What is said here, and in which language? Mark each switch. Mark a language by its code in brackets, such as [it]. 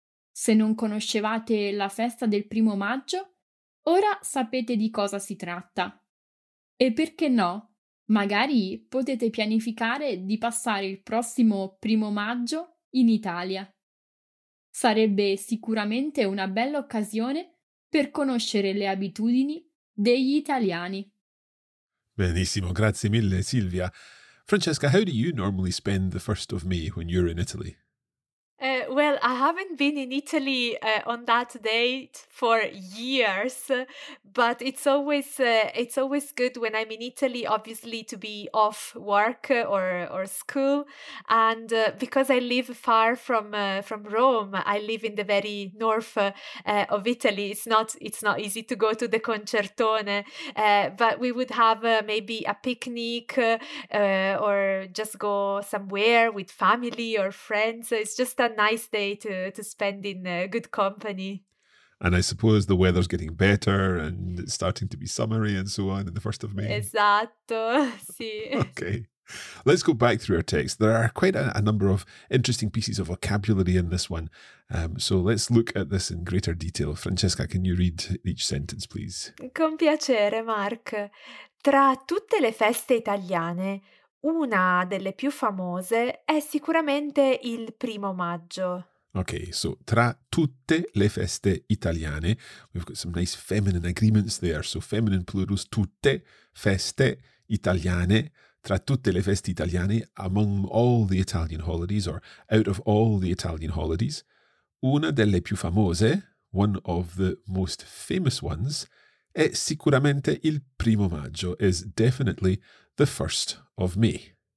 [it] Se non conoscevate la festa del primo maggio, ora sapete di cosa si tratta. E perché no? Magari potete pianificare di passare il prossimo primo maggio in Italia. Sarebbe sicuramente una bella occasione per conoscere le abitudini degli italiani. Benissimo, grazie mille Silvia. [en] Francesca, how do you normally spend the 1st of May when you're in Italy? Well, I haven't been in Italy on that date for years, but it's always good when I'm in Italy, obviously, to be off work or school. And because I live far from Rome, I live in the very north of Italy. It's not easy to go to the concertone, but we would have maybe a picnic or just go somewhere with family or friends. So it's just a nice day to spend in good company. And I suppose the weather's getting better and it's starting to be summery and so on in the 1st of May. [it] Esatto, sì. [en] Okay, let's go back through our text. There are quite a number of interesting pieces of vocabulary in this one. So let's look at this in greater detail. Francesca, can you read each sentence, please? [it] Con piacere, Mark. Tra tutte le feste italiane, una delle più famose è sicuramente il primo maggio. [en] Ok, so [it] tra tutte le feste italiane, [en] we've got some nice feminine agreements there. So feminine plurals, [it] tutte, feste, italiane, tra tutte le feste italiane, [en] among all the Italian holidays or out of all the Italian holidays, [it] una delle più famose, [en] one of the most famous ones, [it] è sicuramente il primo maggio, [en] is definitely the 1st of May.